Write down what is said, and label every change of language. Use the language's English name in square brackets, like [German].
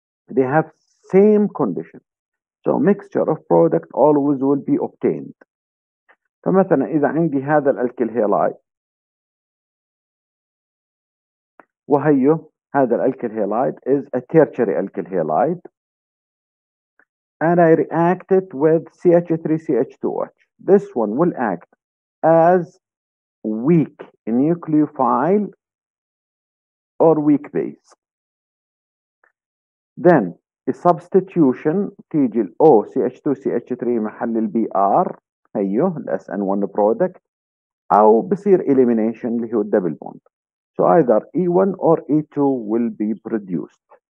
[English] They have same condition. So mixture of product always will be obtained. [Arabic] فمثلا إذا عندي هذا [English] الألكيل هيلايد وهيو هذا الألكيل halide is a tertiary alkyl halide and I react it with CH3CH2OH. This one will act as weak nucleophile or weak base. Then a substitution [Arabic] تيجي الـ OCH2CH3 محل الـ BR هيو الـ SN1 product أو بصير elimination اللي هو double bond. [English] So either E1 or E2 will be produced.